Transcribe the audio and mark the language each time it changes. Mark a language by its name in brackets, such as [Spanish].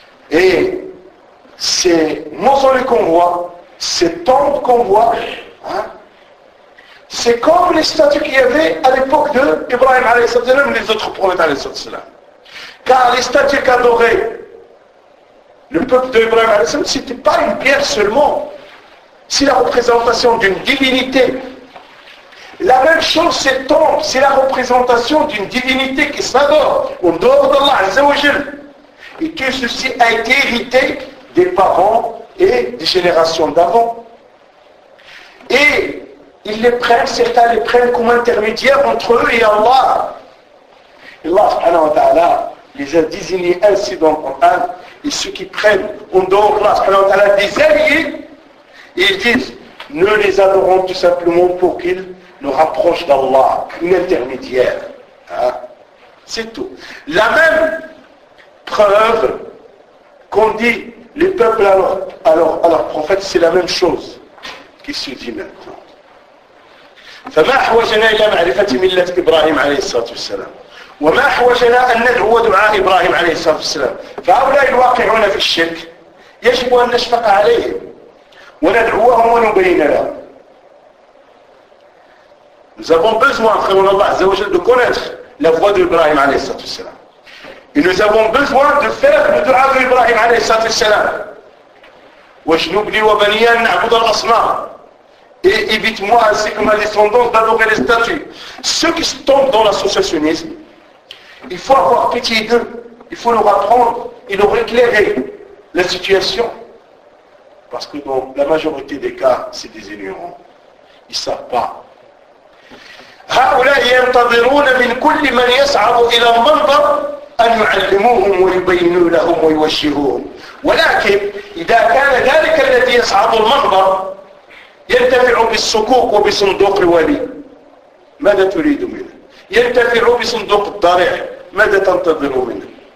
[French] et ces mausolées qu'on voit ces tombes qu'on voit hein, c'est comme les statues qu'il y avait à l'époque de Ibrahim alayhi salam et les autres prophètes alayhi salam car les statues qu'adorait le peuple de Ibrahim alayhi salam c'était pas une pierre seulement c'est la représentation d'une divinité La même chose, cette tombe, c'est la représentation d'une divinité qui s'adore, en dehors d'Allah, Azza wa Jal. Et tout ceci a été hérité des parents et des générations d'avant. Et ils les prennent, certains les prennent comme intermédiaires entre eux et Allah. Allah, subhanahu wa ta'ala, les a désignés ainsi dans le Coran, et ceux qui prennent en dehors d'Allah, subhanahu wa ta'ala, des alliés, et ils disent, nous les adorons tout simplement pour qu'ils nous rapproche d'Allah, une intermédiaire. Hein? C'est tout. La même preuve qu'on dit les peuples à leur prophète, c'est la même chose qui se dit maintenant. [Arabic] فما حوجنا إلى معرفة ملة إبراهيم عليه الصلاة والسلام وما حوجنا أن ندعو دعاء إبراهيم عليه الصلاة والسلام فهؤلاء الواقعون في الشرك يجب أن نشفق عليهم وندعوهم ونبين لهم [French] Nous avons besoin, frère Allah Azza wa Jal, de connaître la voix d'Ibrahim alayhi salatu wassalam. Et nous avons besoin de faire le dua d'Ibrahim alayhi salatu wassalam. [Arabic] Wajnoubli wa baniyan na'bud al-asma. [French] Et évite-moi ainsi que ma descendance d'adorer les statues. Ceux qui se tombent dans l'associationnisme, il faut avoir pitié d'eux. Il faut leur apprendre et leur éclairer la situation. Parce que dans la majorité des cas, c'est des ignorants. Ils ne savent pas. [Arabic] هؤلاء ينتظرون من كل من يصعد إلى المنبر أن يعلموهم ويبينوا لهم ويوجهوهم ولكن إذا كان ذلك الذي يصعد المنبر ينتفع بالصكوك وبصندوق الولي ماذا تريد منه؟ ينتفع بصندوق الضريع ماذا تنتظر منه؟